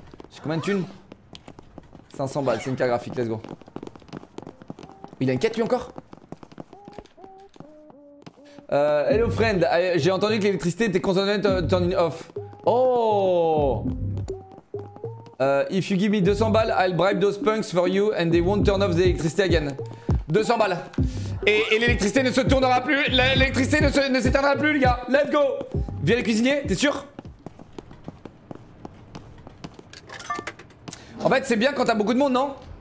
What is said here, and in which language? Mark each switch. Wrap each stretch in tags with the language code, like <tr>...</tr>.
<fr>J'ai combien de thunes? 500 balles, c'est une carte graphique, let's go. Il a une quête lui encore? Hello friend, j'ai entendu que l'électricité était constamment turning off. Oh!</fr> <en>If you give me 200 balles, I'll bribe those punks for you and they won't turn off the electricity again.</en> <fr>200 balles. Et l'électricité ne se tournera plus, l'électricité ne s'éteindra plus, les gars. Let's go! Viens les cuisiniers, t'es sûr? En fait, c'est bien quand t'as beaucoup de monde, non?</fr>